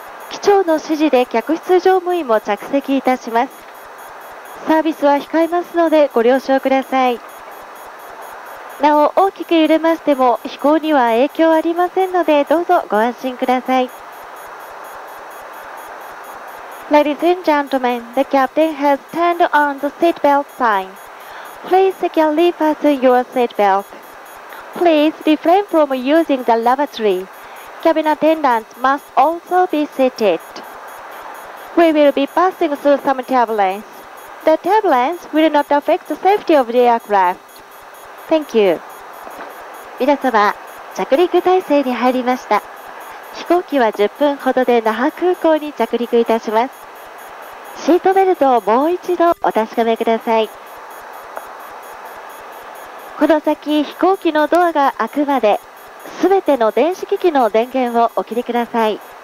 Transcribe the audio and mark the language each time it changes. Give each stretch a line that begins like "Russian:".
Japanese: 機長の指示で客室乗務員も着席いたします。サービスは控えますのでご了承ください。なお大きく揺れましても飛行には影響ありませんのでどうぞご安心ください。
English: Ladies and gentlemen, the captain has turned on the seatbelt sign. Please securely fasten your seatbelt. Please refrain from using the lavatory. Cabin attendants must also be seated. We will be passing through some turbulence. The turbulence will not affect the safety of the aircraft. Thank you.
Japanese: 皆様、着陸態勢に入りました。飛行機は10分ほどで那覇空港に着陸いたします。シートベルトをもう一度お確かめください。この先飛行機のドアが開くまで全ての電子機器の電源をお切りください。